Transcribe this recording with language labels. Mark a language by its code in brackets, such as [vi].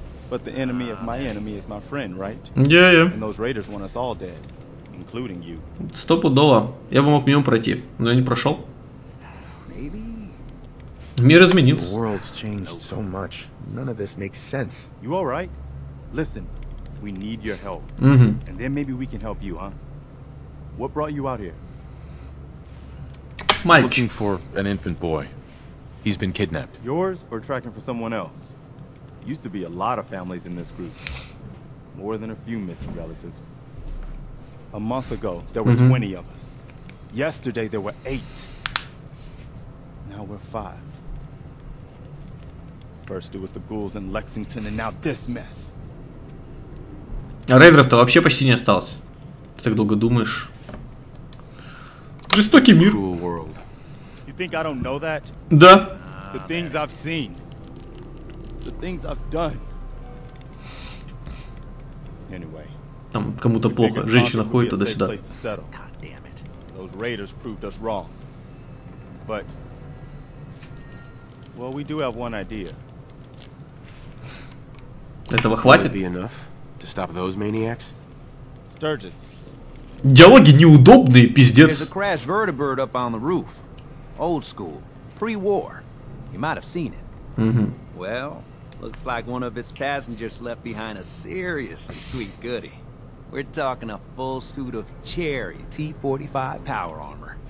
[en] But the enemy is my friend, right? Yeah, yeah. And those raiders want us all dead, including you. [ru] Стопудово. Я бы мог мимо пройти, но я не прошел. [en] Maybe. [ru] Мир изменился. [en] The world's changed so much. None of this makes sense. You all right? Listen, we need your help. Mm-hmm. And then maybe we can help you, huh? What brought you out here? Mike. Looking for an infant boy. He's been kidnapped. Yours or tracking for someone else? Used to be a lot of families in this group. More than a few missing relatives. A month ago, there were 20 of us. Yesterday, there were 8. Now we're 5. First, it was the ghouls in Lexington, and now this mess. [ru] А рейдеров-то вообще почти не осталось. Ты так долго думаешь? Жестокий мир. [en] Cruel world. You think I don't know that? [ru] Да. [en] The things I've seen. The things I've done. Anyway, [ru] там кому-то плохо, женщина ходит туда-сюда. [en] Those raiders proved us wrong. But, well, we do have one idea. [ru] Этого хватит? [en] Be enough to stop those maniacs? Sturgis. [ru] Диалоги неудобные, пиздец. [en] There's a crash vertebrate up on the roof. Old school, pre-war. You might have seen it. Well. Looks like one of its passengers left behind a seriously sweet goodie. We're talking a full suit of Cherry T-45 power armor.